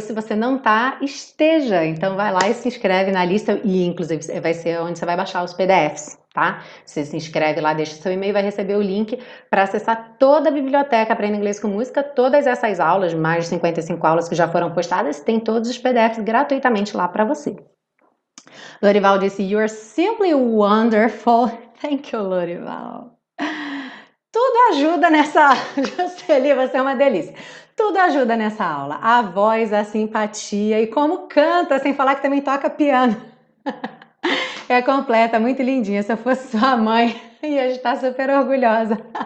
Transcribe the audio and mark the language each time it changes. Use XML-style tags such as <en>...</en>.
<pt>Se você não tá, esteja. Então vai lá e se inscreve na lista e inclusive vai ser onde você vai baixar os PDFs, tá? Você se inscreve lá, deixa seu e-mail, vai receber o link para acessar toda a biblioteca Aprenda Inglês com Música, todas essas aulas, mais de 55 aulas que já foram postadas, tem todos os PDFs gratuitamente lá para você.</pt> <en>Lorival disse: "You are simply wonderful." Thank you, Lorival.</en> <pt>Tudo ajuda nessa, Jocely, você é uma delícia. Tudo ajuda nessa aula. A voz, a simpatia e como canta, sem falar que também toca piano. É completa, muito lindinha. Se eu fosse sua mãe, ia estar super orgulhosa.</pt>